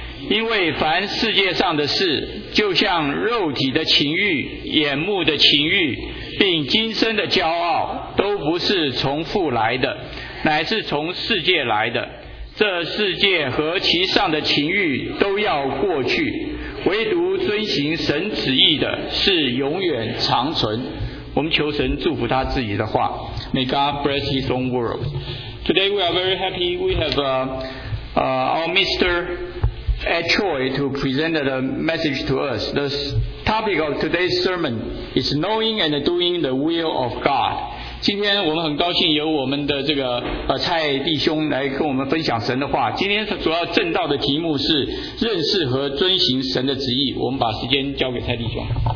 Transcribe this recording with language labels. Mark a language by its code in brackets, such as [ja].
[zh] 因为凡世界上的事，就像肉体的情欲、眼目的情欲，并今生的骄傲，都不是从父来的，乃是从世界来的。这世界和其上的情欲都要过去，唯独遵行神旨意的是永远长存。我们求神祝福他自己的话。 [en] May God bless his own word. Today we are very happy. We have our Mr. Ed Choi to present a message to us. The topic of today's sermon is knowing and doing the will of God. [zh] 今天我们很高兴由我们的这个蔡弟兄来跟我们分享神的话。今天主要正道的题目是认识和遵行神的旨意。我们把时间交给蔡弟兄。